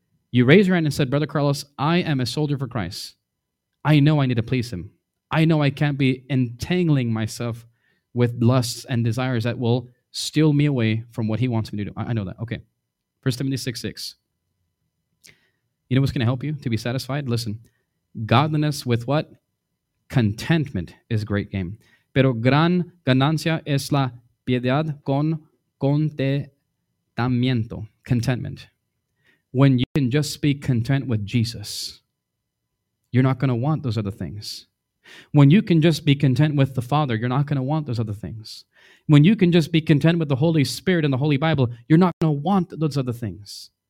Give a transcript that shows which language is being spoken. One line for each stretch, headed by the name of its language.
English: You raised your hand and said, Brother Carlos, I am a soldier for Christ. I know I need to please him. I know I can't be entangling myself with lusts and desires that will steal me away from what he wants me to do. I know that. Okay. 1 Timothy 6, 6. You know what's going to help you to be satisfied? Listen, godliness with what? Contentment is great gain.
Spanish: Pero gran ganancia es la piedad con contentamiento.
English: Contentment. When you can just be content with Jesus, you're not going to want those other things. When you can just be content with the Father, you're not going to want those other things. When you can just be content with the Holy Spirit and the Holy Bible, you're not going to want those other things.